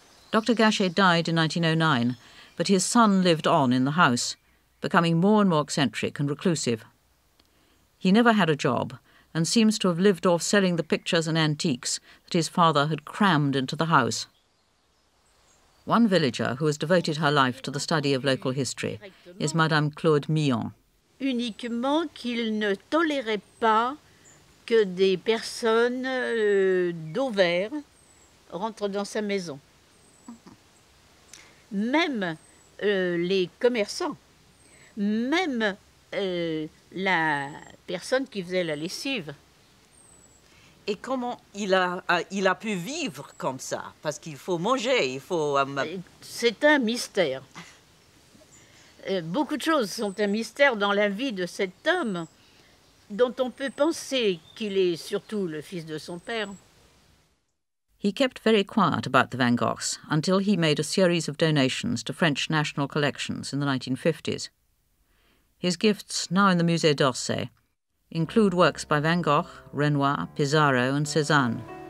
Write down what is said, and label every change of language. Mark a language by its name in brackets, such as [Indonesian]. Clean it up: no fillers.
[English] Dr. Gachet died in 1909, but his son lived on in the house, becoming more and more eccentric and reclusive. He never had a job and seems to have lived off selling the pictures and antiques that his father had crammed into the house. One villager who has devoted her life to the study of local history is Madame Claude Millon. [French] Uniquement qu'il ne tolérait pas que des personnes d'Auvers rentrent dans sa maison. Même les commerçants, même la personne qui faisait la lessive. Et comment il a pu vivre comme ça? Parce qu'il faut manger, il faut... C'est un mystère. Beaucoup de choses sont un mystère dans la vie de cet homme dont on peut penser qu'il est surtout le fils de son père. [English] He kept very quiet about the Van Goghs until he made a series of donations to French national collections in the 1950s. His gifts, now in the Musée d'Orsay, include works by Van Gogh, Renoir, Pizarro and Cézanne.